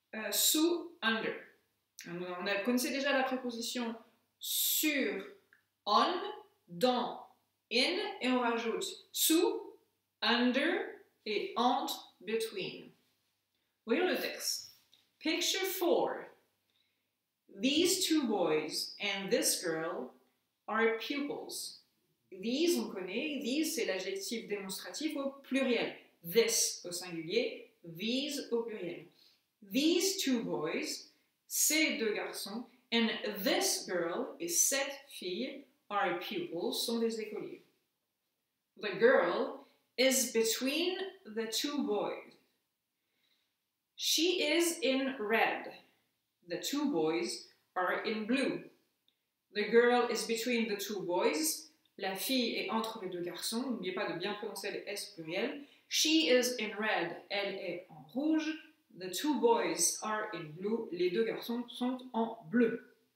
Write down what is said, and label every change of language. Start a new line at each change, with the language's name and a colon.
French: Sous, under. On connaissait déjà la préposition sur, on, dans, in, et on rajoute sous, under, et entre, between. Voyons le texte. Picture 4.
English: These two boys and this girl are pupils.
French: These, on connaît. These, c'est l'adjectif démonstratif au pluriel. This, au singulier. These, au pluriel.
English: These two boys,
French: ces deux garçons,
English: and this girl,
French: et cette fille,
English: are pupils,
French: sont des écoliers.
English: The girl is between the two boys. She is in red. The two boys are in blue. The girl is between the two boys.
French: La fille est entre les deux garçons. N'oubliez pas de bien prononcer le S pluriel.
English: She is in red.
French: Elle est en rouge.
English: The two boys are in blue.
French: Les deux garçons sont en bleu.